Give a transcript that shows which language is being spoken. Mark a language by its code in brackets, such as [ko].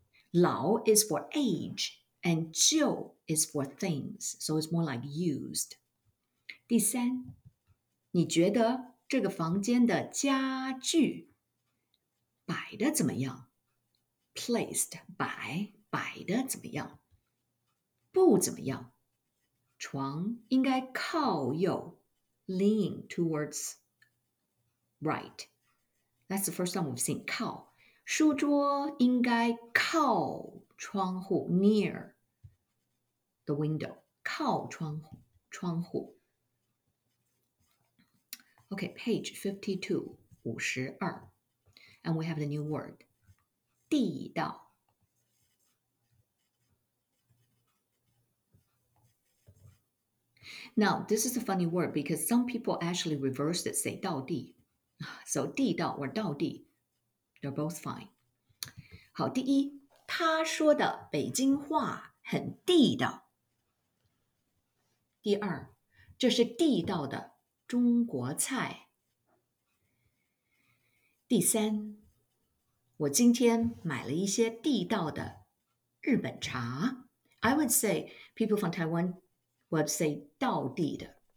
[en] 老 is for age, and 旧 is for things, so it's more like used. [zh] 第三，你觉得这个房间的家具摆得怎么样？ Placed, 摆得怎么样？不怎么样。床应该靠右， [en] lean towards right. That's the first time we've seen 靠。 [zh] 书桌应该靠窗户， [en] near the window, 靠窗户。 Okay, page 52, 52. And we have the new word, 地道。 Now, this is a funny word because some people actually reverse it, say 道地。 So 地道 or 道地, they're both fine. [zh] 好，第一，他说的北京话很地道。第二，这是地道的中国菜。第三，我今天买了一些地道的日本茶。 [en] I would say people from Taiwan would say 道地的。